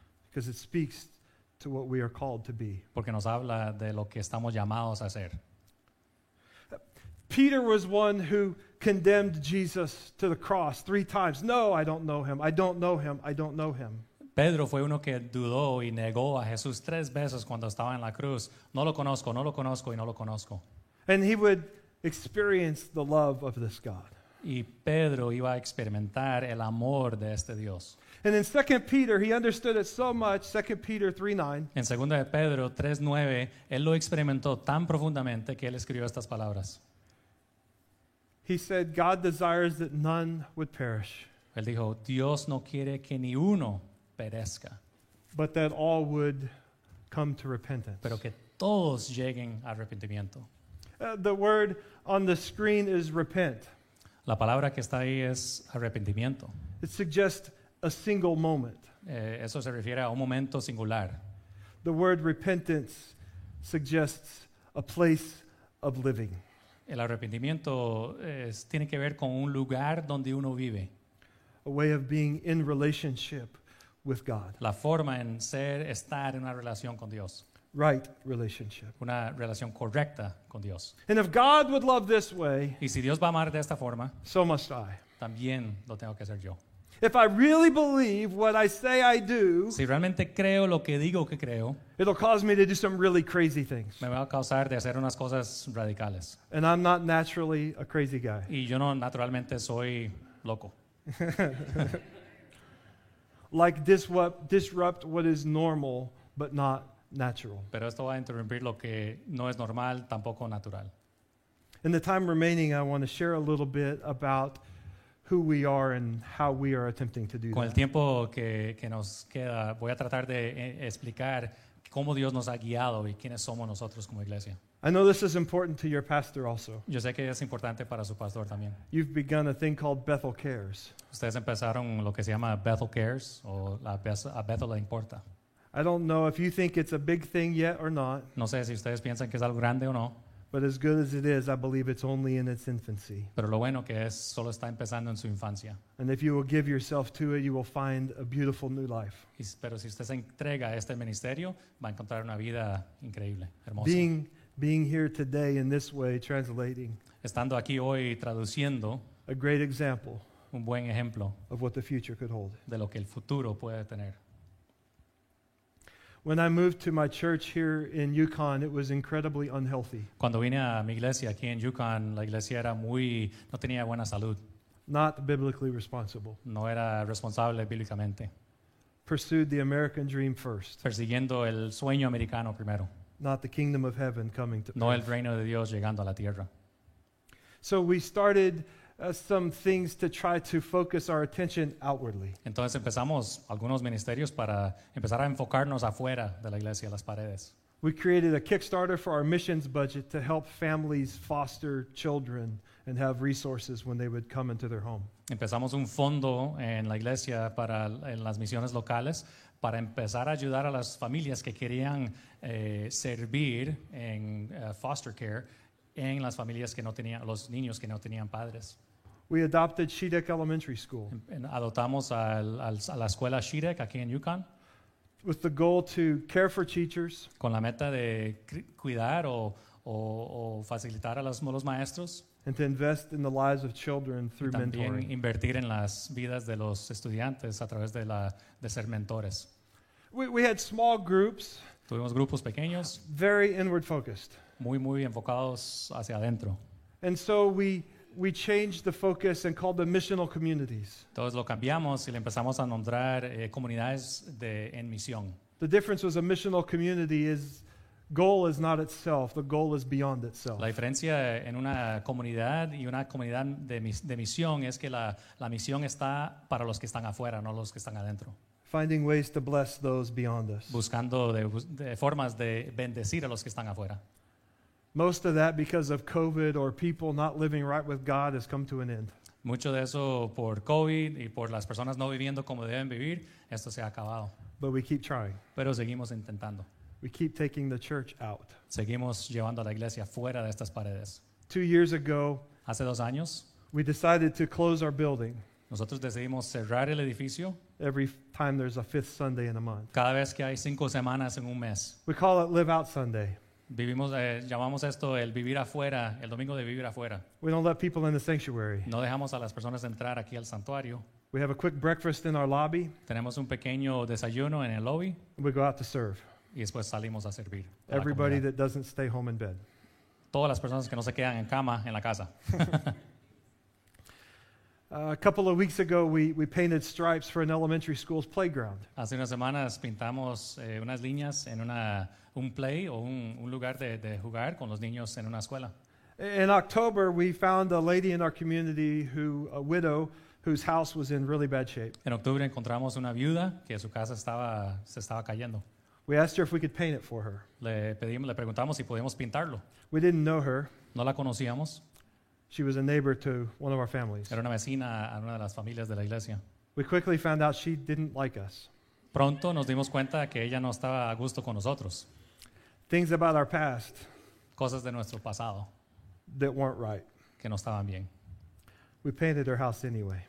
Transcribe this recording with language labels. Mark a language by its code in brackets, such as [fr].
[en] Because it speaks to what we are called to be. [es] Porque nos habla de lo que estamos llamados a ser. [en] Peter was one who condemned Jesus to the cross 3 times. No, I don't know him. I don't know him. I don't know him. [es] Pedro fue uno que dudó y negó a Jesús 3 veces cuando estaba en la cruz. No lo conozco, no lo conozco y no lo conozco. [en] And he would experience the love of this God. [es] Y Pedro iba a experimentar el amor de este Dios. [en] And in 2 Peter, he understood it so much, 2 Peter 3:9. [es] En 2 de Pedro 3:9, él lo experimentó tan profundamente que él escribió estas palabras. [en] He said, God desires that none would perish. [es] Él dijo, Dios no quiere que ni uno perezca. [en] But that all would come to repentance. [es] Pero que todos lleguen a arrepentimiento. [en] The word on the screen is repent. [es] La palabra que está ahí es arrepentimiento. [en] It suggests a single moment. [es] Eso se refiere a un momento singular. [en] The word repentance suggests a place of living. [es] El arrepentimiento tiene que ver con un lugar donde uno vive. [en] A way of being in relationship with God. [es] La forma en ser, estar en una relación con Dios. [en] Right relationship. [es] Una relación correcta con Dios. [en] And if God would love this way, [es] y si Dios va a amar de esta forma, [en] so must I. [es] También lo tengo que hacer yo. [en] If I really believe what I say I do, [es] si realmente creo lo que digo que creo, [en] it'll cause me to do some really crazy things. [es] Me va a causar de hacer unas cosas radicales. [en] And I'm not naturally a crazy guy. [es] Y yo no naturalmente soy loco. [en] Like disrupt what is normal, but not natural. [es] Pero esto va a interrumpir lo que no es normal, tampoco natural. [en] In the time remaining, I want to share a little bit about who we are and how we are attempting to do that. [es] Con el tiempo que nos queda, voy a tratar de explicar cómo Dios nos ha guiado y quiénes somos nosotros como iglesia. [en] I know this is important to your pastor also. [es] Yo sé que es importante para su pastor también. [en] You've begun a thing called Bethel Cares. [es] Ustedes empezaron lo que se llama Bethel Cares o a Bethel le importa. [en] I don't know if you think it's a big thing yet or not. [es] No sé si ustedes piensan que es algo grande o no. [en] But as good as it is, I believe it's only in its infancy. [es] Pero lo bueno que es, solo está empezando en su infancia. [en] And if you will give yourself to it, you will find a beautiful new life. [es] Pero si usted se entrega a este ministerio, va a encontrar una vida increíble, hermosa. [en] Being here today in this way, translating. [es] Estando aquí hoy traduciendo. [en] A great example. [es] Un buen ejemplo. [en] Of what the future could hold. [es] De lo que el futuro puede tener. [en] When I moved to my church here in Yukon, it was incredibly unhealthy. [es] Cuando vine a mi iglesia aquí en Yukon, la iglesia era muy no tenía buena salud. [en] Not biblically responsible. [es] No era responsable bíblicamente. [en] Pursued the American dream first. [es] Persiguiendo el sueño americano primero. [en] Not the kingdom of heaven coming to. [es] No el reino de Dios llegando a la tierra. [en] So we started some things to try to focus our attention outwardly. [es] Entonces empezamos algunos ministerios para empezar a enfocarnos afuera de la iglesia, las paredes. [en] We created a Kickstarter for our missions budget to help families foster children and have resources when they would come into their home. [es] Empezamos un fondo en la iglesia para en las misiones locales para empezar a ayudar a las familias que querían servir en foster care en las familias que no tenían los niños que no tenían padres. [en] We adopted Shedeck Elementary School. [es] Adoptamos a la escuela Shedeck aquí en Yukon. [en] With the goal to care for teachers. [es] Con la meta de cuidar o facilitar a los maestros. [en] And to invest in the lives of children through mentoring. [es] También invertir en las vidas de los estudiantes a través de ser mentores. [en] We had small groups. [es] Tuvimos grupos pequeños. [en] Very inward focused. [es] Muy muy enfocados hacia adentro. [en] And so we changed the focus and called them missional communities. [es] Todos lo cambiamos y le empezamos a nombrar comunidades de en misión. [en] The difference was a missional community is goal is not itself, the goal is beyond itself. [es] La diferencia en una comunidad y una comunidad de misión es que la misión está para los que están afuera, no los que están adentro. [en] Finding ways to bless those beyond us. [es] Buscando de formas de bendecir a los que están afuera. [en] Most of that because of COVID or people not living right with God has come to an end. [es] Mucho de eso por COVID y por las personas no viviendo como deben vivir, esto se ha acabado. [en] But we keep trying. [es] Pero seguimos intentando. [en] We keep taking the church out. [es] Seguimos llevando a la iglesia fuera de estas paredes. [en] 2 years ago, [es] hace 2 años, [en] we decided to close our building. [es] Nosotros decidimos cerrar el edificio. [en] Every time there's a fifth Sunday in a month. [es] Cada vez que hay 5 semanas en un mes. [en] We call it Live Out Sunday. [es] Vivimos, llamamos esto el vivir afuera, el domingo de vivir afuera. [en] We don't let people in the sanctuary. [es] No dejamos a las personas entrar aquí al santuario. [en] We have a quick breakfast in our lobby. [es] Tenemos un pequeño desayuno en el lobby. [en] We go out to serve. [es] Y después salimos a servir. [en] Everybody that doesn't stay home in bed. [es] Todas las personas que no se quedan en cama en la casa. [en] A couple of weeks ago, we painted stripes for an elementary school's playground. [es] Hace unas semanas pintamos unas líneas en un play o un lugar de jugar con los niños en una escuela. [en] In October, we found a lady in our community a widow whose house was in really bad shape. [es] En octubre encontramos una viuda que su casa se estaba cayendo. [en] We asked her if we could paint it for her. [es] Le preguntamos si podíamos pintarlo. [en] We didn't know her. [es] No la conocíamos. [en] She was a neighbor to one of our families. [es] Era una vecina a una de las familias de la iglesia. [en] We quickly found out she didn't like us. [es] Pronto nos dimos cuenta que ella no estaba a gusto con nosotros. [en] Things about our past. [es] Cosas de nuestro pasado. [en] That weren't right. [es] Que no estaban bien. [en] We painted her house anyway.